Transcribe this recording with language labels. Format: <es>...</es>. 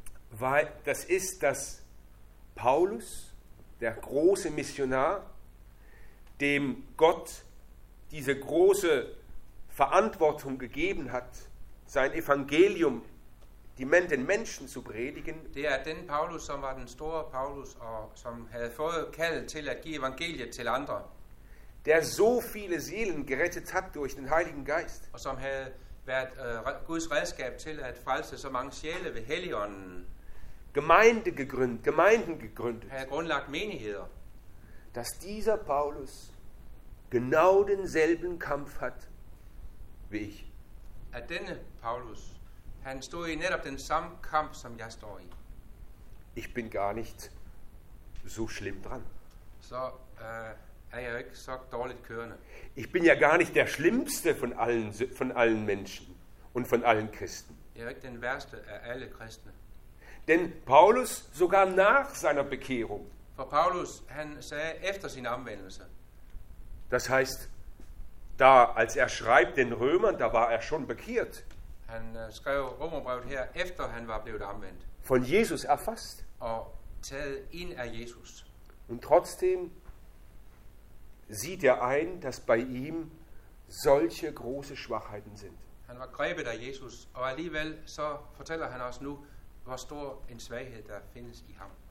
<de>Weil das ist, dass Paulus, der große Missionar, dem Gott diese große Verantwortung gegeben hat, sein Evangelium den Menschen zu predigen.</de> <da>Det er den Paulus, som var den store Paulus, og som havde fået kaldet til at give evangeliet til andre.</da> <de>Der so viele Seelen gerettet hat durch den Heiligen Geist.</de> <da>Og som havde været Guds redskab til at frelse så mange sjæle ved Helligånden.</da> <de>Gemeinden gegründet.</de> <da>Havde grundlagt menigheder.</da> <de>Dass dieser Paulus genau denselben Kampf hat wie ich.</de> <da>At denne Paulus, han stod i netop den samme kamp, som jeg står i.</da> <de>Ich bin gar nicht so schlimm dran.</de> <da>Så er jo ikke så dårligt kørende.</da> <de>Ich bin ja gar nicht der schlimmste von allen Menschen und von allen Christen.</de> <da>Jeg er ikke den værste af alle kristne.</da> <de>Denn Paulus sogar nach seiner Bekehrung.</de> <da>For Paulus, han sagde efter sin omvendelse.</da> <de>Das heißt, da als er schreibt den Römern, da war er schon bekehrt.</de> <da>Han skrev Romerbrevet her efter han var blevet omvendt.</da> <de>Von Jesus erfasst.</de> <da>Og taget ind af Jesus.</da> <de>Und trotzdem sieht er ein, dass bei ihm solche große Schwachheiten sind.</de> <da>Han var grebet af Jesus, og alligevel så fortæller han os nu, hvor stor en svaghed der findes i ham.</da>